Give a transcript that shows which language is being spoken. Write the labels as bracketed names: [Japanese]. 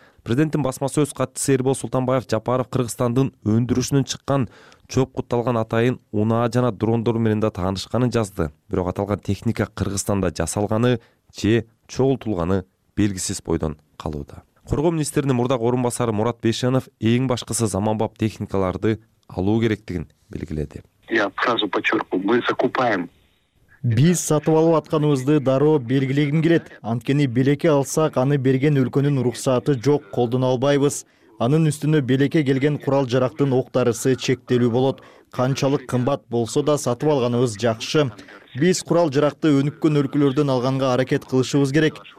[Kyrgyz] Президенттин басма сөз катчысы Эрбол Султанбаев Жапаров Кыргызстандын өндүрүшүнөн чыккан чөп кутталган атайын унаа жана дрондор менен да таанышканын жазды. Бирок аталган техника Кыргызстанда жасалганы же чогултулганы белгисиз бойдон калууда. Коргоо министринин мурдагы орун басары Мурат Бейшанов эң башкысы заманбап техникаларды алуу керектигин белгиледи. [Russian] Я сразу подчеркиваю, мы закупаем. [Kyrgyz] Биз сатып алып атканыбызды дароо белгилегим келет. Анткени белеке алсак, аны берген өлкөнүн уруксаты жок, колдоно албайбыз. Анын үстүнө белеке келген курал-жарактын октарысы чектелүү болот. Канчалык кымбат болсо да сатып алганыбыз жакшы. Биз курал-жаракты өнүккөн өлкөлөрдөн алганга аракет кылышыбыз керек.